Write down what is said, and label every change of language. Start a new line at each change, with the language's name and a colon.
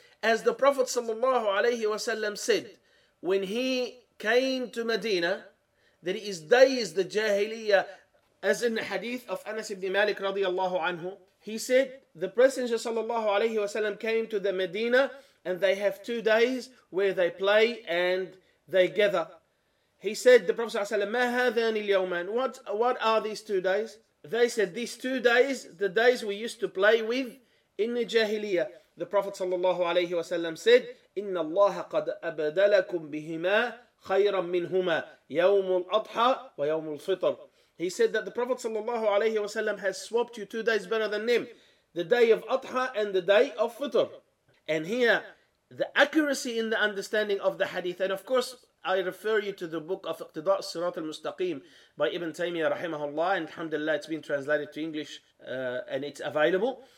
English: As the Prophet sallallahu alayhi wasallam said, when he came to Medina, there is days the Jahiliyyah, as in the hadith of Anas ibn Malik radiallahu anhu, he said, the Messenger sallallahu alayhi wasallam came to the Medina and they have 2 days where they play and they gather. He said, the Prophet sallallahu alayhi wasallam, what are these 2 days? They said, these 2 days, the days we used to play with in the Jahiliyyah. The Prophet sallallahu alayhi wasallam said,
Arabic: إِنَّ اللَّهَ قَدْ أَبَدَلَكُمْ بِهِمَا خَيْرًا مِّنْهُمَا يَوْمُ الْأَضْحَى وَيَوْمُ الْفِطْرِ.
English: He said that the Prophet sallallahu alayhi wasallam has swapped you 2 days better than them, the day of Adha and the day of Fitr. And here, the accuracy in the understanding of the hadith, and of course, I refer you to the book of Iqtida' Sirat al-Mustaqim by Ibn Taymiyyah rahimahullah, and alhamdulillah, it's been translated to English and it's available.